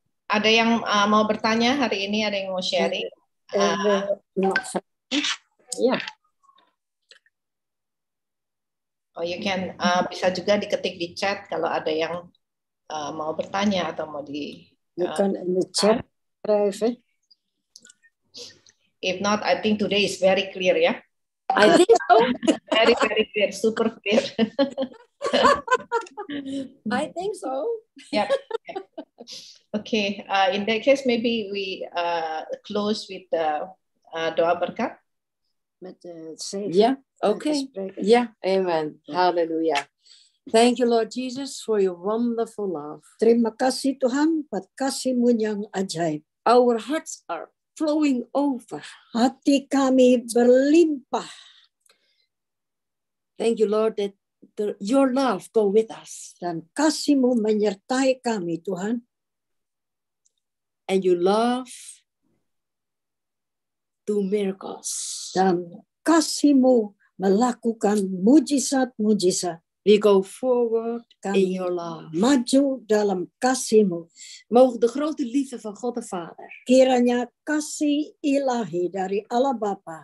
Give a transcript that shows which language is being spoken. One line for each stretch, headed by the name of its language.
Indonesian: Ada yang mau bertanya hari ini? Ada yang mau sharing?
English: Yeah. Oh, you can.
Indonesian: Bisa juga diketik di chat kalau ada yang mau bertanya atau mau di.
English: You can in the chat. If not, I think today is very clear, ya. Yeah? I think so. Very, very clear. Super clear. I think so. Yeah. Okay. In that case, maybe we close with the doa berkat. Yeah. Okay. Yeah. Amen. Hallelujah. Thank you, Lord Jesus, for your wonderful love.
Indonesian: Terima kasih Tuhan buat kasih-Mu yang ajaib.
English: Our hearts are flowing over.
Indonesian: Hati kami berlimpah.
English: Thank you, Lord, that your love go with us.
Indonesian: Dan kasih-Mu menyertai kami, Tuhan.
English: And you love do miracles.
Indonesian: Dan kasih-Mu melakukan mujizat-mujizat.
English: We go forward kami in your love.
Indonesian: Maju dalam kasih-Mu.
Dutch: Mogen de grote liefde van God de Vader.
Indonesian: Kiranya kasih ilahi dari Allah Bapa.